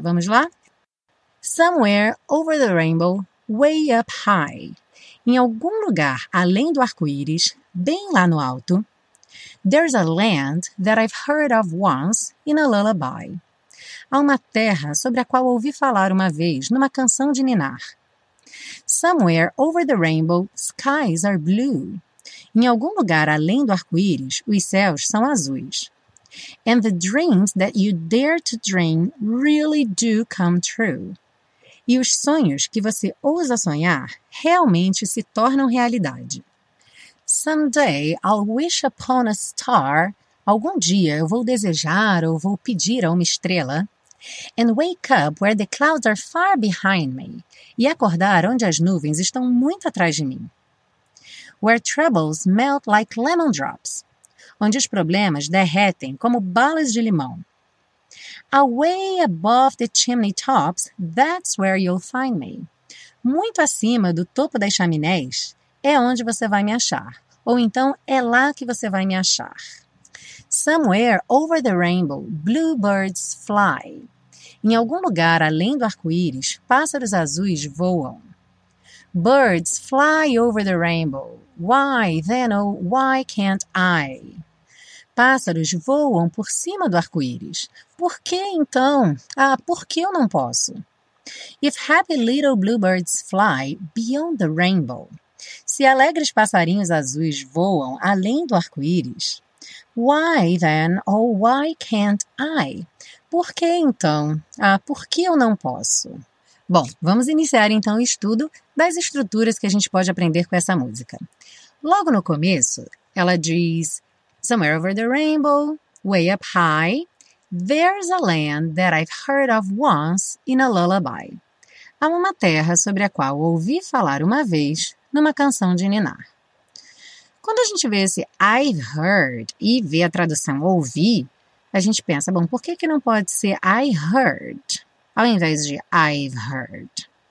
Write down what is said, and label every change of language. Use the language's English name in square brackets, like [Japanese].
[Portuguese] Vamos lá? [English] Somewhere over the rainbow, way up high. [Portuguese] Em algum lugar além do arco-íris, bem lá no alto, [English] there's a land that I've heard of once in a lullaby. [Portuguese] Há uma terra sobre a qual ouvi falar uma vez numa canção de ninar. [English] Somewhere over the rainbow, skies are blue. [Portuguese] Em algum lugar além do arco-íris, os céus são azuis. [English] And the dreams that you dare to dream really do come true. [Portuguese] E os sonhos que você ousa sonhar realmente se tornam realidade. [English] Someday I'll wish upon a star. [Portuguese] Algum dia eu vou desejar ou vou pedir a uma estrela. [English] And wake up where the clouds are far behind me. [Portuguese] E acordar onde as nuvens estão muito atrás de mim. [English] Where troubles melt like lemon drops. [Portuguese] Onde os problemas derretem como balas de limão. [English] Away above the chimney tops, that's where you'll find me. [Portuguese] Muito acima do topo das chaminés é onde você vai me achar. Ou então é lá que você vai me achar. [English] Somewhere over the rainbow, bluebirds fly. [Portuguese] Em algum lugar além do arco-íris, pássaros azuis voam. [English] Birds fly over the rainbow. Why then, oh, why can't I? [Portuguese] Pássaros voam por cima do arco-íris. Por que então? Ah, por que eu não posso? [English] If happy little bluebirds fly beyond the rainbow. [Portuguese] Se alegres passarinhos azuis voam além do arco-íris. [English] Why then, oh, why can't I? [Portuguese] Por que então? Ah, por que eu não posso? Bom, vamos iniciar então o estudo das estruturas que a gente pode aprender com essa música. Logo no começo, ela diz [English] somewhere over the rainbow, way up high, there's a land that I've heard of once in a lullaby. [Portuguese] Há uma terra sobre a qual ouvi falar uma vez numa canção de ninar. Quando a gente vê esse I've heard e vê a tradução ouvi, a gente pensa, bom, por que que não pode ser I heard ao invés de I've heard?